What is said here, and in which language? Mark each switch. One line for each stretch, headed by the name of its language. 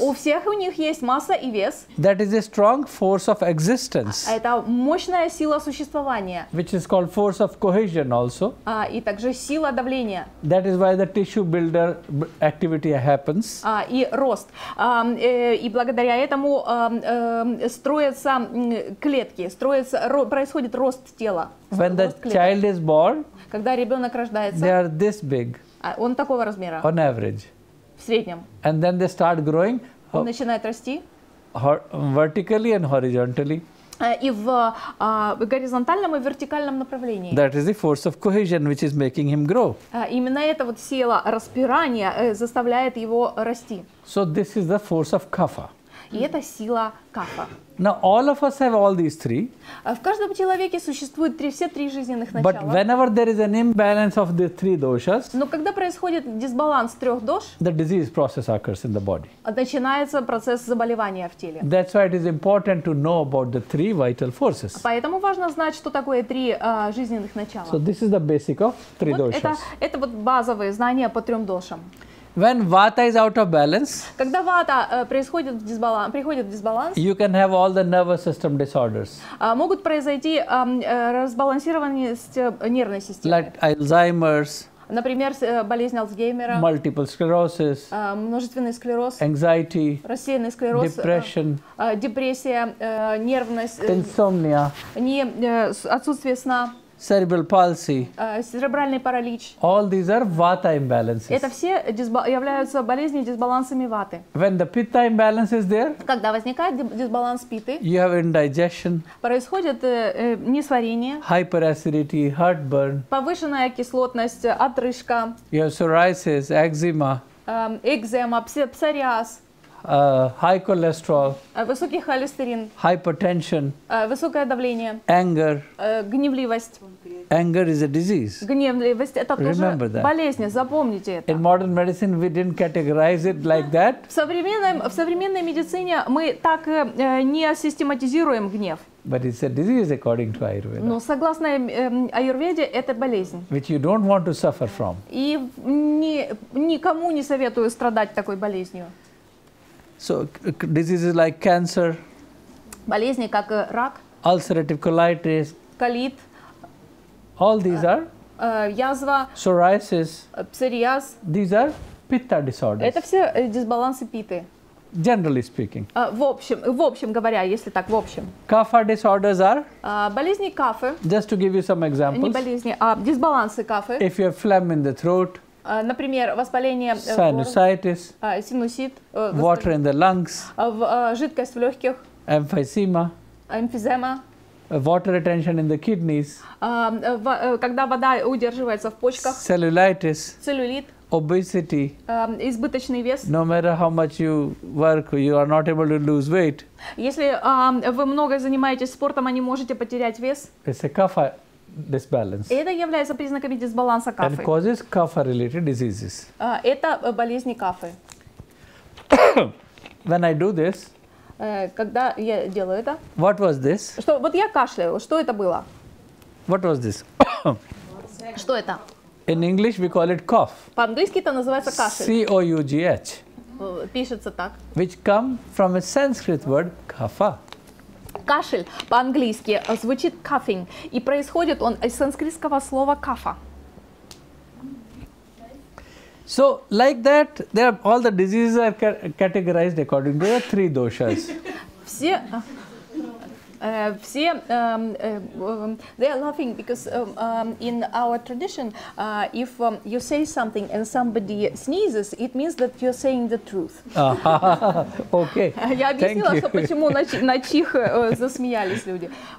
Russian: У всех у них есть масса и вес.
English: That is a strong force of existence.
Russian: Это мощная сила существования.
English: Which is called force of cohesion also.
Russian: И также сила давления.
English: That is why the tissue builder activity happens.
Russian: И рост. И благодаря этому строятся клетки, происходит рост тела.
English: When the child is born,
Russian: когда ребенок рождается,
English: they are this big.
Russian: Он такого размера.
English: On average.
Russian: В среднем.
English: And then they start growing.
Russian: Он начинает расти.
English: Vertically and horizontally.
Russian: И в горизонтальном и вертикальном направлении.
English: That is the force of cohesion, which is making him grow.
Russian: Именно эта вот сила распирания заставляет его расти.
English: So this is the force of kapha.
Russian: И это сила кафа.
English: Now all of us have all these three.
Russian: В каждом человеке существует все три жизненных начала.
English: But whenever there is an imbalance of the three doshas,
Russian: но когда происходит дисбаланс трех дош,
English: the disease process occurs in the body.
Russian: Начинается процесс заболевания в теле.
English: That's why it is important to know about the three vital forces.
Russian: Поэтому важно знать, что такое три жизненных начала.
English: So this is the basic of three doshas.
Russian: Это вот базовые знания по трем дошам.
English: When vata is out of balance,
Russian: когда вата приходит в дисбаланс,
English: you can have all the nervous system disorders.
Russian: Могут произойти разбалансированность нервной системы.
English: Like Alzheimer's.
Russian: Например, болезнь Альцгеймера.
English: Multiple sclerosis.
Russian: Множественный склероз.
English: Anxiety.
Russian: Рассеянный склероз.
English: Depression.
Russian: Депрессия. Нервность.
English: Insomnia.
Russian: Отсутствие сна.
English: Cerebral palsy.
Russian: Церебральный паралич.
English: All these are vata imbalances.
Russian: Это все являются болезни дисбалансами ваты.
English: When the pitta imbalance is there,
Russian: когда возникает дисбаланс питты,
English: you have indigestion.
Russian: Происходит несварение.
English: Hyperacidity, heartburn.
Russian: Повышенная кислотность, отрыжка.
English: You have psoriasis, eczema.
Russian: Экзема, псориаз.
English: High cholesterol.
Russian: Высокий холестерин.
English: Hypertension.
Russian: Высокое давление.
English: Anger.
Russian: Гневливость.
English: Anger is a disease.
Russian: Гневливость это
English: Remember
Russian: тоже
English: that.
Russian: Болезнь. Запомните это.
English: In modern medicine we didn't categorize it like that.
Russian: В современной медицине мы так не систематизируем гнев.
English: But it's a disease according to Ayurveda.
Russian: Но согласно Аюрведе это болезнь.
English: Which you don't want to suffer from.
Russian: И никому не советую страдать такой болезнью.
English: So diseases like cancer,
Russian: болезни как рак,
English: ulcerative colitis,
Russian: colit,
English: all these are
Russian: язва,
English: psoriasis,
Russian: псориаз,
English: these are pitta disorders.
Russian: Это все дисбалансы питы.
English: Generally speaking.
Russian: В общем говоря.
English: Kapha disorders are?
Russian: Болезни кафы.
English: Just to give you some examples.
Russian: Не болезни, а дисбалансы кафы.
English: If you have phlegm in the throat.
Russian: Например, воспаление
English: sinusitis,
Russian: синусит,
English: water in the lungs,
Russian: жидкость в легких,
English: эмфизема, water retention in the kidneys,
Russian: когда вода удерживается в почках,
English: cellulitis,
Russian: целлюлит,
English: obesity,
Russian: избыточный вес.
English: No matter how much you work, you are not able to lose weight.
Russian: Если вы много занимаетесь спортом, а не можете потерять вес.
English: It's a kapha disbalance.
Russian: Это является признаками дисбаланса кафы.
English: And causes kapha-related diseases.
Russian: Это болезни кафы.
English: When I do this,
Russian: когда я делаю это,
English: what was this?
Russian: Что, вот я кашляю, что это было?
English: What was this?
Russian: Что это?
English: In English we call it cough.
Russian: По-английски это называется кашель.
English: C-O-U-G-H.
Russian: Пишется так.
English: Which come from a Sanskrit word kapha.
Russian: Кашель по-английски звучит coughing, и происходит он из санскритского слова кафа.
English: So, like that, there are, all the diseases are categorized according to the three doshas.
Russian: Все, все,
English: they are laughing because in our tradition, if you say something and somebody sneezes, it means that you're saying the truth. Okay.
Russian: Я объяснила, что почему на чих засмеялись люди.